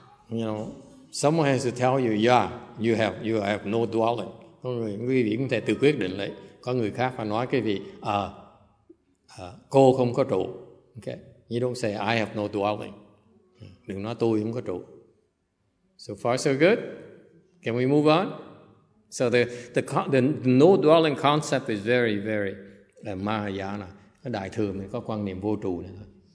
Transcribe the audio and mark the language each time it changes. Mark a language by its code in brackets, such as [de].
[en] You know, someone has to tell you, yeah, you have no dwelling. [vi] Có người, quý vị cũng thể tự quyết định lấy. Có người khác phải nói cái gì, cô không có trụ. Okay. [en] You don't say, I have no dwelling. [vi] Đừng nói tôi không có trụ. [en] So far so good. Can we move on? So the no dwelling concept is very, very Mahayana. [vi] Đại thừa mình có quan niệm vô trụ này thôi.